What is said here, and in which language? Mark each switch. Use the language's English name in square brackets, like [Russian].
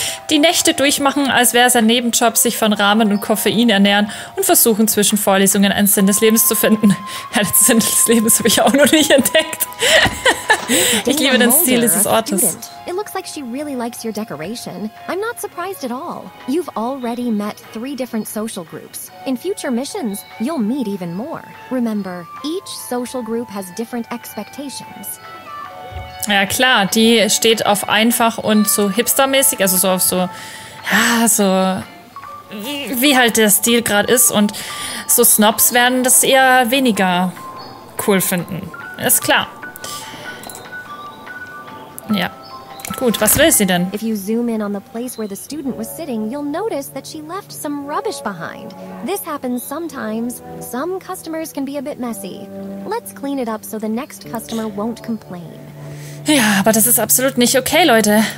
[German] Die Nächte durchmachen, als wäre es ein Nebenjob, sich von Ramen und Koffein ernähren und versuchen zwischen Vorlesungen einen Sinn des Lebens zu finden. Ja, den Sinn des Lebens habe ich auch noch nicht entdeckt. Ich liebe den Stil dieses Ortes. [English] It looks like she really likes your decoration. I'm not surprised at all. You've already met three different social groups. In future missions, you'll meet even more. Remember, each social group has different expectations. [German] Ja klar, die steht auf einfach und so hipstermäßig, also so auf so, ja, so wie halt der Stil gerade ist und so Snobs werden das eher weniger cool finden. Ist klar. Ja. Gut, was will sie denn? [English] If you zoom in on the place where the student was sitting, you'll notice that she left some rubbish behind. This happens sometimes. Some customers can be a bit messy. Let's clean it up so the next customer won't complain. [German] Ja, aber das ist absolut nicht okay, Leute.